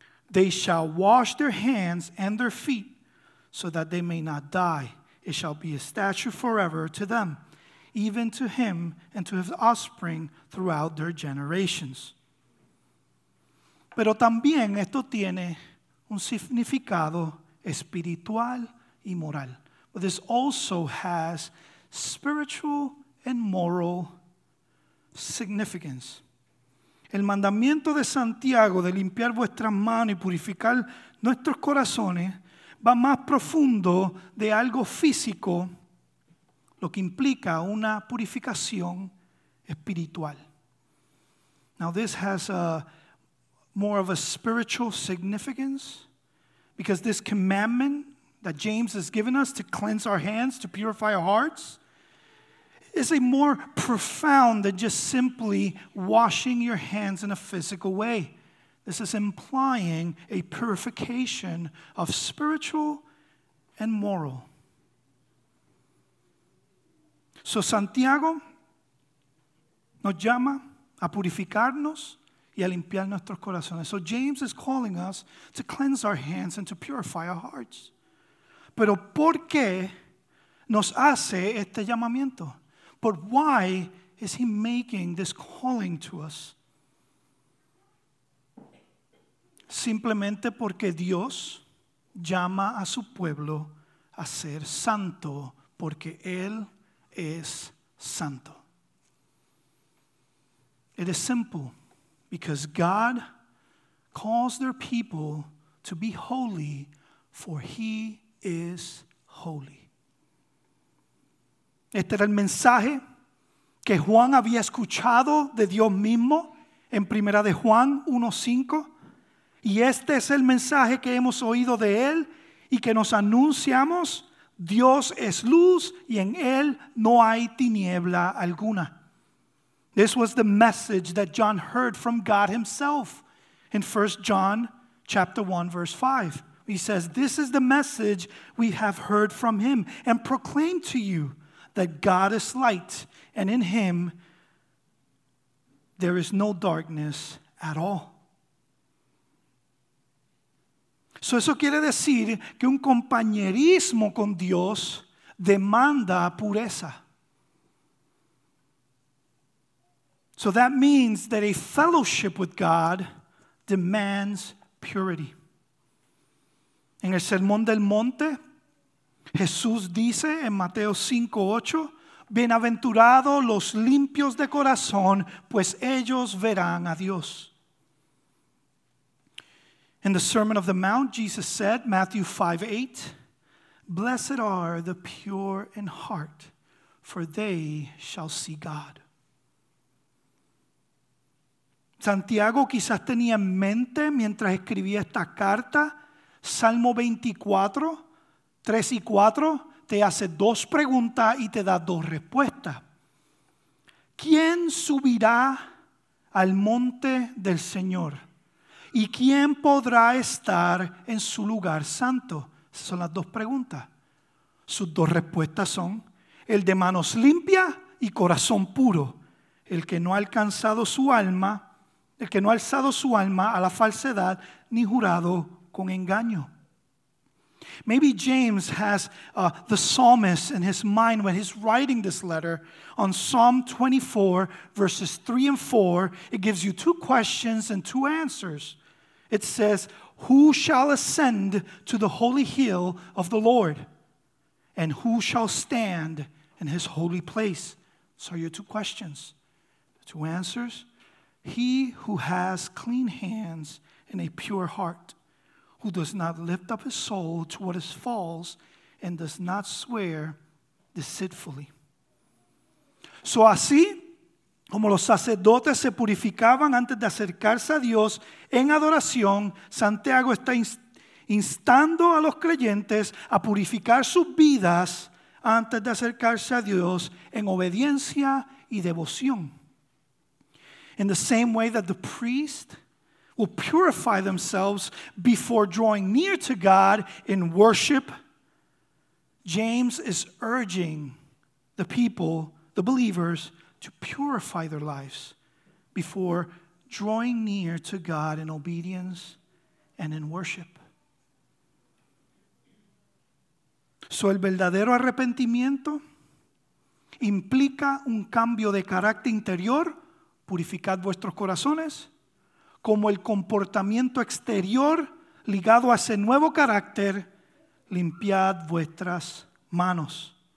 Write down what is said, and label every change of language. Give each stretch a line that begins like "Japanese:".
English: They shall wash their hands and their feet so that they may not die. It shall be a statute forever to them, even to him and to his offspring throughout their generations.
Spanish: Pero también esto tiene un significado espiritual y moral.
English: But this also has spiritual and moral significance.
Spanish: El mandamiento de Santiago de limpiar vuestras manos y purificar nuestros corazones va más profundo de algo físico, lo que implica una purificación espiritual.
English: Now, this has a more of a spiritual significance, because this commandment that James has given us to cleanse our hands, to purify our hearts, is a more profound than just simply washing your hands in a physical way. This is implying a purification of spiritual and moral.
Spanish: So Santiago nos llama a purificarnos y a limpiar nuestros corazones.
English: So James is calling us to cleanse our hands and to purify our hearts.
Spanish: Pero ¿por qué nos hace este llamamiento?
English: But why is he making this calling to us?
Spanish: Simplemente porque Dios llama a su pueblo a ser santo, porque Él es santo.
English: It is simple, because God calls their people to be holy, for he is holy.
Spanish: Este era el mensaje que Juan había escuchado de Dios mismo en Primera de Juan 1:5. Y este es el mensaje que hemos oído de él y que nos anunciamos: Dios es luz y en él no hay tiniebla alguna.
English: This was the message that John heard from God himself in 1 John chapter 1 verse 5. He says, this is the message we have heard from him and proclaim to you, that God is light and in him there is no darkness at all.
Spanish: So eso quiere decir que un compañerismo con Dios demanda pureza.
English: So that means that a fellowship with God demands purity.
Spanish: En el Sermón del Monte, Jesús dice en Mateo 5:8, bienaventurados los limpios de corazón, pues ellos verán a Dios.
English: In the Sermon of the Mount, Jesus said, Matthew 5:8, blessed are the pure in heart, for they shall see God.
Spanish: Santiago quizás tenía en mente, mientras escribía esta carta, Salmo 24, 3 y 4, te hace dos preguntas y te da dos respuestas. ¿Quién subirá al monte del Señor? ¿Y quién podrá estar en su lugar santo? Esas son las dos preguntas. Sus dos respuestas son: el de manos limpias y corazón puro, el que no ha alcanzado su alma, el que no ha alzado su alma a la falsedad ni jurado con engaño.
English: Maybe James has the psalmist in his mind when he's writing this letter on Psalm 24, verses 3 and 4. It gives you two questions and two answers. It says, who shall ascend to the holy hill of the Lord? And who shall stand in his holy place? So your two questions, two answers. He who has clean hands and a pure heart, who does not lift up his soul to what is false and does not swear deceitfully.
Spanish: So así como los sacerdotes se purificaban antes de acercarse a Dios en adoración, Santiago está instando a los creyentes a purificar sus vidas antes de acercarse a Dios en obediencia y devoción.
English: In the same way that the priest will purify themselves before drawing near to God in worship, James is urging the people, the believers, to purify their lives before drawing near to God in obedience and in worship.
Spanish: So el verdadero arrepentimiento implica un cambio de carácter interior. Purificad vuestros corazones, como el comportamiento exterior ligado a ese nuevo carácter, limpiad vuestras manos.